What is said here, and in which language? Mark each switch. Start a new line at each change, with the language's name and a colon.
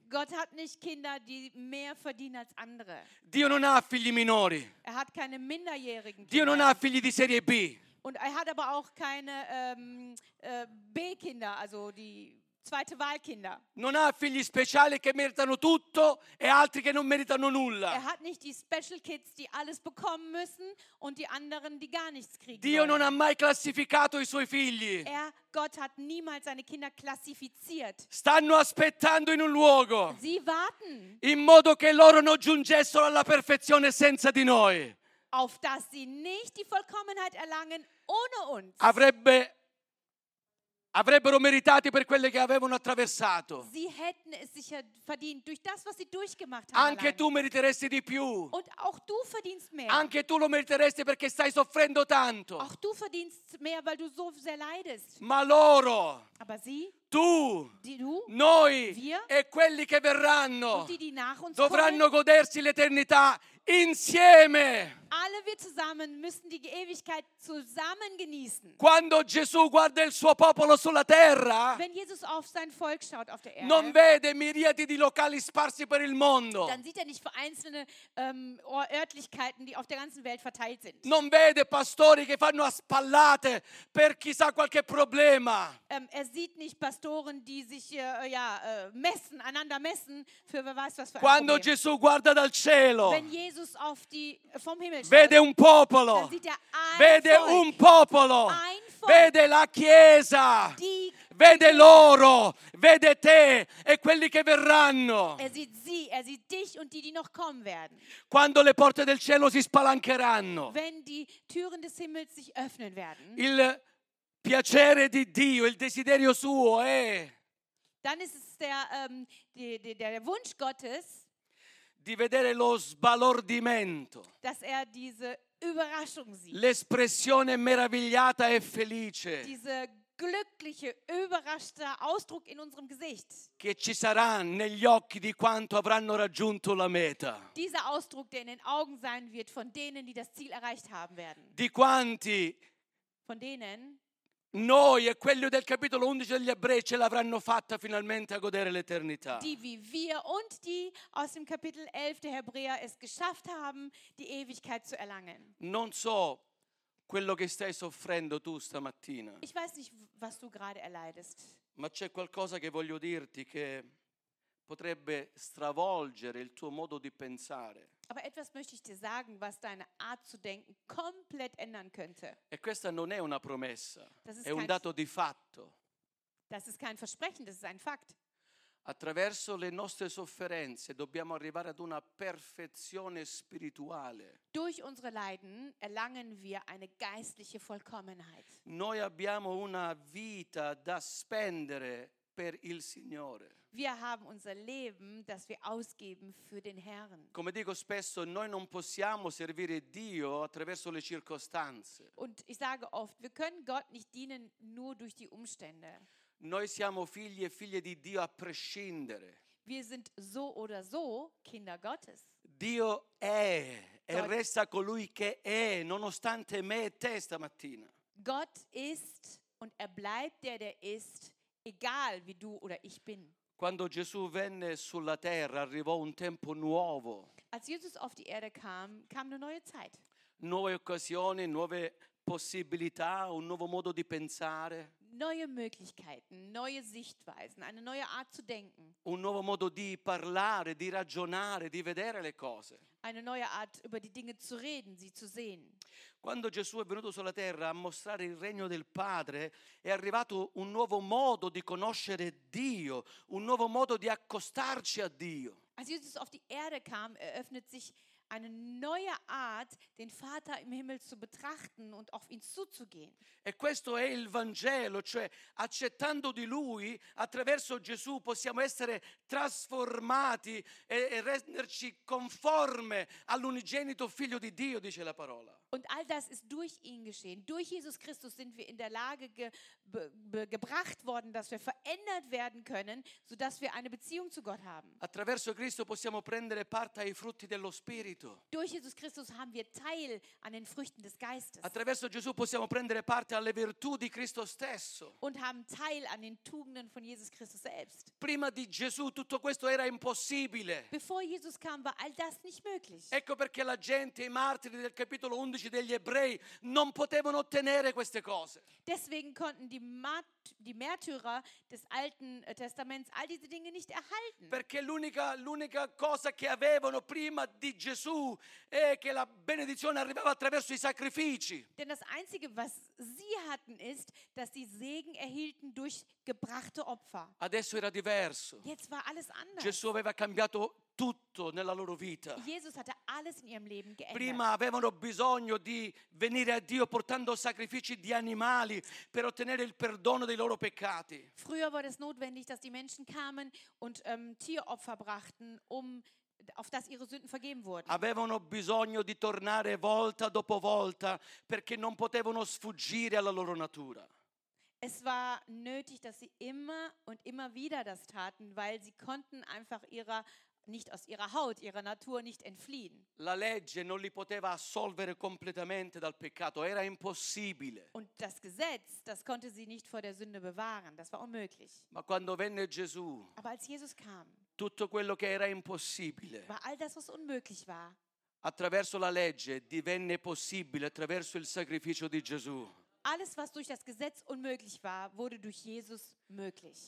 German: Gott hat nicht Kinder, die mehr verdienen als andere.
Italian: Dio non ha figli minori.
German: Er hat keine minderjährigen Kinder.
Italian: Dio non ha figli di serie B.
German: Und er hat aber auch keine B-Kinder, also die zweite Wahlkinder.
Italian: Non ha figli speciali che meritano tutto e altri che non meritano nulla.
German: Er hat nicht die
English: special kids,
German: die alles bekommen müssen und die anderen, die gar nichts kriegen.
Italian: Dio non ha mai classificato i suoi figli.
German: Gott hat niemals seine Kinder klassifiziert.
Italian: Stanno aspettando in un luogo.
German: Sie warten.
Italian: In modo che loro non giungessero alla perfezione senza di noi.
German: Auf dass sie nicht die Vollkommenheit erlangen ohne uns.
Italian: Avrebbero meritati per quelle che avevano attraversato.
German: Sie hätten es sicher verdient durch das, was sie durchgemacht haben.
Italian: Anche
German: allein.
Italian: Tu meriteresti di più.
German: Und auch du verdienst mehr.
Italian: Anche tu lo meriteresti perché stai soffrendo tanto.
German: Auch du verdienst mehr, weil du so sehr leidest.
Italian: Ma loro.
German: Aber sie.
Italian: Tu.
German: Die, du.
Italian: Noi.
German: Wir.
Italian: E quelli che verranno.
German: Und die, die nach uns
Italian: dovranno
German: kommen,
Italian: godersi l'eternità insieme.
German: Alle wir zusammen müssen die Ewigkeit zusammen genießen.
Italian: Quando Gesù guarda il suo popolo sulla terra,
German: wenn Jesus auf sein Volk schaut auf der Erde,
Italian: non vede miriadi di locali sparsi per il mondo.
German: Dann sieht er nicht vereinzelte Örtlichkeiten, die auf der ganzen Welt verteilt sind.
Italian: Non vede pastori che fanno a spallate per chissà qualche problema.
German: Er sieht nicht Pastoren, die sich messen, einander messen für wer weiß was für ein
Italian: Quando
German: Problem.
Italian: Gesù guarda dal cielo,
German: wenn Jesus auf die vom Himmel
Italian: vede un popolo, vede
German: Volk,
Italian: un popolo,
German: Volk,
Italian: vede la Chiesa, vede loro, vede te e quelli che verranno.
German: Er sieht dich und die noch kommen werden.
Italian: Quando le porte del cielo si spalancheranno,
German: wenn die Türen des Himmels sich öffnen werden,
Italian: il piacere di Dio, il desiderio suo è,
German: dann ist es der Wunsch Gottes,
Italian: di vedere lo sbalordimento,
German: dass er diese Überraschung sieht,
Italian: l'espressione meravigliata e felice,
German: diese glückliche, überraschte Ausdruck in unserem Gesicht,
Italian: che ci sarà negli occhi di quanto avranno raggiunto la meta,
German: dieser Ausdruck, der in den Augen sein wird von denen, die das Ziel erreicht haben werden,
Italian: di quanti,
German: von denen,
Italian: noi e quelli del capitolo 11 degli Ebrei ce l'avranno fatta finalmente a godere l'eternità.
German: Die wie wir und die aus dem Kapitel 11 der Hebräer es geschafft haben, die Ewigkeit zu erlangen.
Italian: Non so quello che stai soffrendo tu stamattina.
German: Ich weiß nicht, was du gerade erleidest.
Italian: Ma c'è qualcosa che voglio dirti che potrebbe stravolgere il tuo modo di pensare.
German: Aber etwas möchte ich dir sagen, was deine Art zu denken komplett ändern könnte.
Italian: E questa non è una promessa, è un dato di fatto.
German: Das ist kein Versprechen, das ist ein Fakt.
Italian: Attraverso le nostre sofferenze dobbiamo arrivare ad una perfezione spirituale.
German: Durch unsere Leiden erlangen wir eine geistliche Vollkommenheit.
Italian: Noi abbiamo una vita da spendere per il Signore.
German: Wir haben unser Leben, das wir ausgeben für den Herrn.
Italian: Come dico spesso, noi non possiamo servire Dio attraverso le circostanze.
German: Und ich sage oft, wir können Gott nicht dienen nur durch die Umstände.
Italian: Noi siamo figli e figlie di Dio a prescindere.
German: Wir sind so oder so Kinder Gottes.
Italian: Dio è e resta colui che è, nonostante me e te stamattina.
German: Gott ist und er bleibt der ist, egal wie du oder ich bin.
Italian: Quando Gesù venne sulla terra, arrivò un tempo nuovo.
German: Als Jesus auf die Erde kam, kam eine neue Zeit.
Italian: Nuove occasioni, nuove possibilità, un nuovo modo di pensare.
German: Neue Möglichkeiten, neue Sichtweisen, eine neue Art zu denken.
Italian: Un nuovo modo di parlare, di ragionare, di vedere le cose.
German: Eine neue Art, über die Dinge zu reden, sie zu sehen.
Italian: Quando Gesù è venuto sulla terra a mostrare il regno del Padre, è arrivato un nuovo modo di conoscere Dio, un nuovo modo di accostarci a Dio.
German: Als Jesus auf die Erde kam, eröffnet sich eine neue Art, den Vater im Himmel zu betrachten und auf ihn zuzugehen.
Italian: E questo è il Vangelo, cioè accettando di lui, attraverso Gesù possiamo essere trasformati e renderci conforme all'unigenito figlio di Dio, dice la parola.
German: Und all das ist durch ihn geschehen. Durch Jesus Christus sind wir in der Lage gebracht worden, dass wir verändert werden können, sodass wir eine Beziehung zu Gott haben.
Italian: Attraverso Cristo possiamo prendere parte ai frutti dello Spirito.
German: Durch Jesus Christus haben wir Teil an den Früchten des Geistes.
Italian: Attraverso Gesù possiamo prendere parte alle virtù di Cristo stesso.
German: Und haben Teil an den Tugenden von Jesus Christus selbst.
Italian: Prima di Gesù tutto questo era impossibile.
German: Bevor Jesus kam, war all das nicht möglich.
Italian: Ecco perché la gente, i martiri del capitolo 11 degli ebrei non potevano ottenere queste cose.
German: Deswegen konnten die Märtyrer des Alten Testaments all diese Dinge nicht erhalten.
Italian: Perché l'unica cosa che avevano prima di Gesù è che la benedizione arrivava attraverso i sacrifici.
German: Denn das einzige, was sie hatten, ist, dass sie Segen erhielten durch gebrachte Opfer.
Italian: Adesso era diverso.
German: Jetzt war alles anders.
Italian: Gesù aveva cambiato tutto nella loro vita.
German: Jesus hatte alles in ihrem Leben geändert.
Italian: Prima avevano bisogno di venire a Dio portando sacrifici di animali per ottenere il perdono dei loro peccati.
German: Früher war es notwendig, dass die Menschen kamen und Tieropfer brachten, auf das ihre Sünden vergeben wurden.
Italian: Avevano bisogno di tornare volta dopo volta perché non potevano sfuggire alla loro natura.
German: Es war nötig, dass sie immer und immer wieder das taten, weil sie konnten einfach ihrer nicht aus ihrer Haut, ihrer Natur nicht entfliehen.
Italian: La legge non li poteva assolvere completamente dal peccato, era impossibile.
German: Und das Gesetz, das konnte sie nicht vor der Sünde bewahren, das war unmöglich.
Italian: Ma quando venne Gesù,
German: aber als Jesus kam,
Italian: tutto quello che era impossibile,
German: war all das, was unmöglich war,
Italian: attraverso la legge divenne possibile attraverso il sacrificio di Gesù.
German: Alles, was durch das Gesetz unmöglich war, wurde durch Jesus möglich.